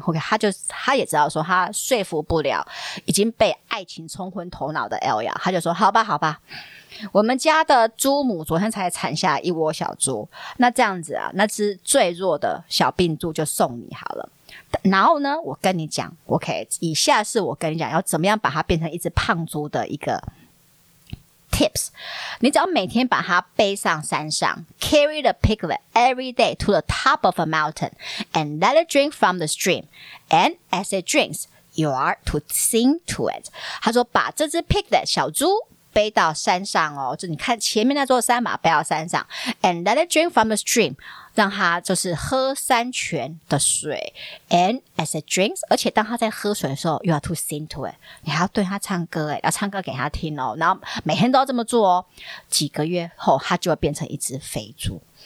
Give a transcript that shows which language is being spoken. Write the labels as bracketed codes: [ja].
[zh] OK， 她也知道说她说服不了已经被爱情冲昏头脑的 Elia， 她就说好吧好吧，我们家的猪母昨天才产下一窝小猪，那这样子啊，那只最弱的小病猪就送你好了。然后呢，我跟你讲 OK， 以下是我跟你讲要怎么样把它变成一只胖猪的一个 tips。你只要每天把它背上山上， [en] carry the piglet every day to the top of a mountain and let it drink from the stream, and as it drinks you are to sing to it。 [zh] 他说把这只 piglet 小猪背到山上哦，就你看前面那座山嘛，背到山上 [en] and let it drink from the stream， [zh] 让它就是喝山泉的水， [en] and as it drinks， [zh] 而且当它在喝水的时候 [en] you are to sing to it， [zh] 你还要对它唱歌，要唱歌给它听哦，然后每天都要这么做哦，几个月后它就会变成一只肥猪。